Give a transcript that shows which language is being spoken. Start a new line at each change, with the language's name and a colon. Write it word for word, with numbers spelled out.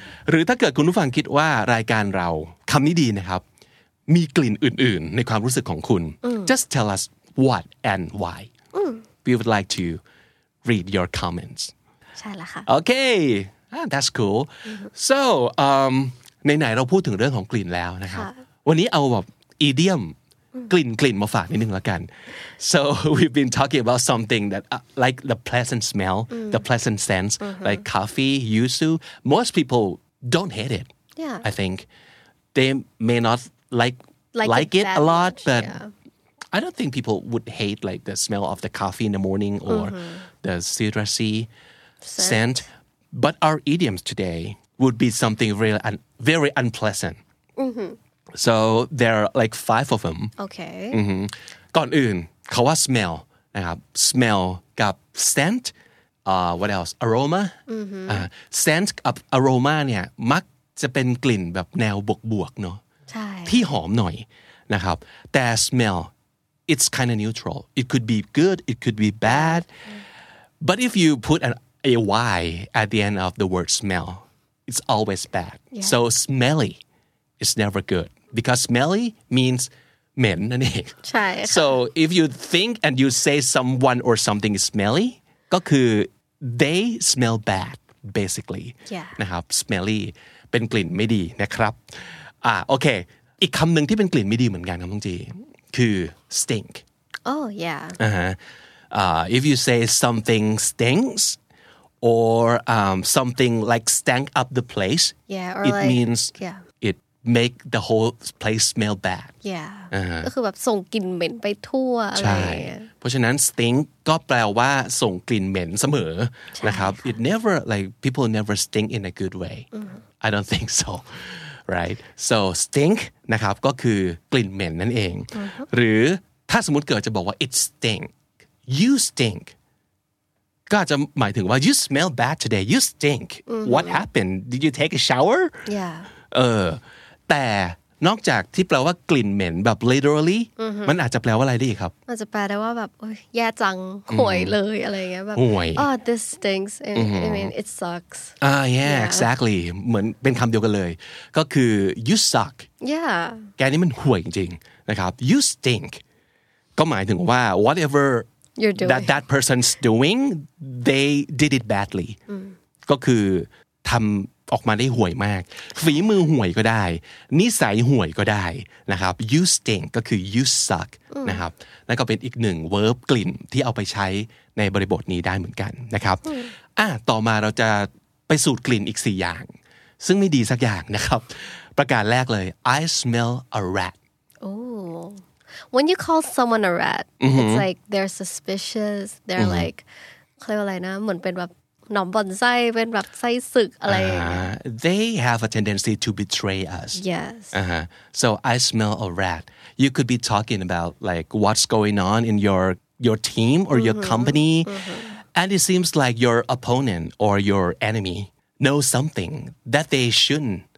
Thai: หรือถ้าเกิดคุณผู้ฟังคิดว่ารายการเราคำนี้ดีนะครับ มีกลิ่นอื่นๆในความรู้สึกของคุณ
English: just tell us what and why. We would like to read your comments.
Thai: ใช่ละค่ะ
English: Okay, ah, that's cool.
Thai: So, um, ไหนๆเราพูดถึงเรื่องของกลิ่นแล้วนะครับ ค่ะ วันนี้เอาแบบ idiom กลิ่นกลิ่นมาฝากนิดนึงละกัน
English: So we've been talking about something that uh, like the pleasant smell, the pleasant scents, like coffee, yuzu. Most people don't hate it. Yeah. I think they may not like Like it it a that lot, much, but yeah. I don't think people would hate like the smell of the coffee in the morning or the citrusy scent. But our idioms today would be something really un- very unpleasant. So there are like five of them. Okay.
Thai: ก่อนอื่นเขาว่า smell นะครับ smell กับ scent อ่า
English: what else aroma
Thai: อ่า scent กับ aroma เนี่ยมักจะเป็นกลิ่นแบบแนวบวกๆเนาะ ใช่ ที่หอมหน่อยนะครับแต่
English: smell it's kind of neutral it could be good it could be bad but if you put an a y at the end of the word smell it's always bad so smelly is never good because smelly means
Thai: เหม็นนั่นเอง ใช่ค่ะ
English: so if you think and you say someone or something is smelly
Thai: ก็คือ
English: they smell bad basically Yeah.
Thai: นะครับ smelly เป็นกลิ่นไม่ดีนะครับอ่าโอเคอีกคำหนึ่งที่เป็นกลิ่นไม่ดีเหมือนกันครับน้องจีคือ stink
English: Oh yeah. อ่าฮะอ่า if you say something stinks or um, something like stank up the place Yeah, or it like- means yeah. it make the whole place smell bad Yeah.
Thai: อ่าฮะ ก็คือแบบส่งกลิ่นเหม็นไปทั่วอะไร ใช่ อย่างเงี้ย
English: เพราะฉะนั้น stink
Thai: ก็แปลว่าส่งกลิ่นเหม็นเสมอนะครับ
English: it never like people never stink in a good way I don't think so right so stink
Thai: นะครับก็คือกลิ่นเหม็นนั่นเอง หรือถ้าสมมติเกิดจะบอกว่า
English: it stink you stink
Thai: ก็อาจจะหมายถึงว่า
English: you smell bad today you stink what happened did you take a shower Yeah.
Thai: เออแต่นอกจากที่แปลว่ากลิ่นเหม็นแบบ literally มันอาจจะแปลว่าอะไรได้อีกครับ มันจะแปลได้ว่าแบบโอ๊ยแย่จังห่วยเลยอะไรอย่างเงี้ยแบบ ห่วย
English: oh this stinks I mean- I mean it sucks
Thai: อ่า
English: yeah exactly
Thai: เหมือนเป็นคำเดียวกันเลย ก็คือ
English: you suck yeah
Thai: แกนี่มันห่วยจริงๆนะครับ
English: you stink
Thai: ก็หมายถึงว่า whatever
English: You're doing. that that person's doing they did it badly
Thai: ก็คือทำออกมาได้ห่วยมาก ฝีมือห่วยก็ได้ นิสัยห่วยก็ได้นะครับ
English: you stink
Thai: ก็คือ
English: you suck
Thai: นะครับนั่นก็เป็นอีกหนึ่ง verb กลิ่นที่เอาไปใช้ในบริบทนี้ได้เหมือนกันนะครับอ่ะต่อมาเราจะไปสูตรกลิ่นอีกสี่อย่าง ซึ่งไม่ดีสักอย่างนะครับ ประการแรกเลย
English: I smell a rat oh when you call someone a rat it's like they're suspicious they're like
Thai: เขาเรียกว่าอะไรนะเหมือนเป็นแบบหนอมบ่อนไส้เป็นแบบไส้ศึกอะไรอย่างเงี้ย
English: Uh, they have a tendency to betray us yes Uh-huh. So I smell a rat. You could be talking about like what's going on in your your team or your company, and it seems like your opponent or your enemy knows something that they shouldn't.